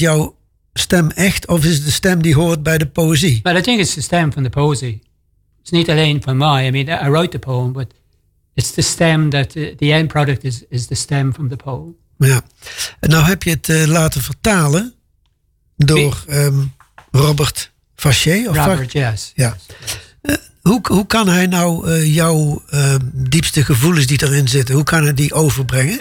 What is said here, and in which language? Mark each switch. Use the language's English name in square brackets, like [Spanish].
[Dutch] jouw stem echt of is het de stem die hoort bij de poëzie? [English] But I think it's the stem from the poetry. It's not alone from I mean, I wrote the poem, but it's the stem that the end product is the stem from the poem. [Dutch] Ja, en nou heb je het laten vertalen door Robert Fasché. Ja. Hoe kan hij nou jouw diepste gevoelens die erin zitten, hoe kan hij die overbrengen?